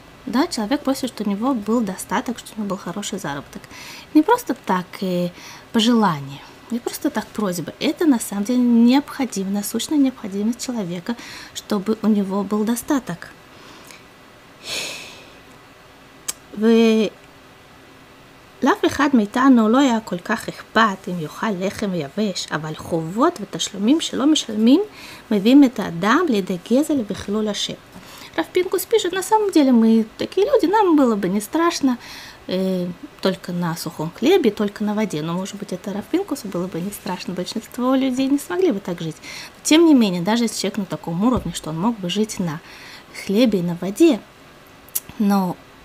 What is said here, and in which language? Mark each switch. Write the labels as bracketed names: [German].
[Russian] Да, человек просит, чтобы у него был достаток, чтобы у него был хороший заработок. Не просто так пожелание, не просто так просьба. Это на самом деле необходимо, насущная необходимость человека, чтобы у него был достаток. Вы... [Hebrew] לא אחד מיתנו לא היה כל כך אכפת אם יוכל לחם ויבש, אבל חובות ותשלומים שלא משלמים מביאים את האדם לידי גזל וחילול השם. [Russian] Рав Пинкус пишет, на самом деле мы такие люди, нам было бы не страшно только на сухом хлебе, только на воде. Но, может быть, это Рав Пинкусу было бы не страшно, большинство людей не смогли бы так жить. Но, тем не менее, даже если человек на таком уровне, что он мог бы жить на хлебе и на воде, но...